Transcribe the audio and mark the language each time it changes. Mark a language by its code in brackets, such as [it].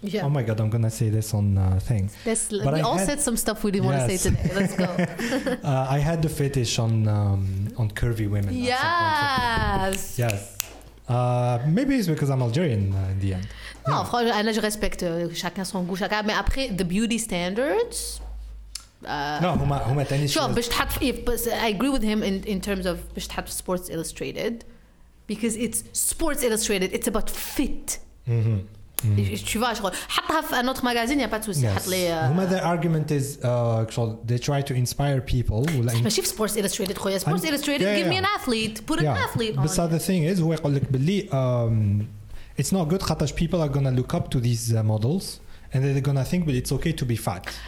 [en] Yeah. Oh my God, I'm going to say this on thing. We said some stuff we didn't want to say today. Let's go. I had the fetish on curvy women. Yes. Yes. Maybe it's because I'm Algerian in the end. [fr] Non, franchement, je respecte chacun son goût, chacun. [en] Mais après, the beauty standards. I agree with him in terms of Sports Illustrated, because it's Sports Illustrated. It's about fit. [fr] Tu vois, genre, [ar] حطها في [fr] un autre magazine, y a pas de souci. [en] Yes. The argument is, they try to inspire people. Especially like, Sports Illustrated, خويا. Sports Illustrated, give me an athlete, put an athlete on. But so the thing is, [ar] هو يقول لك بلي. [en] It's not good because people are going to look up to these models and they're going to think, but it's okay to be fat.